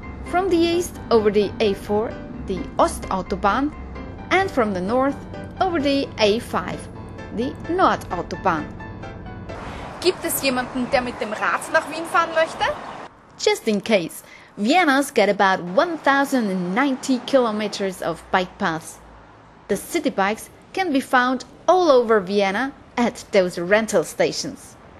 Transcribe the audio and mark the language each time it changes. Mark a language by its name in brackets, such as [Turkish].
[English] From the east, over the A4, the Ostautobahn, and from the north, over the A5, the Nordautobahn. [German] Gibt es jemanden, der mit dem Rad nach Wien fahren möchte? [English] Just in case, Vienna's got about 1,090 kilometers of bike paths. The city bikes can be found all over Vienna at those rental stations.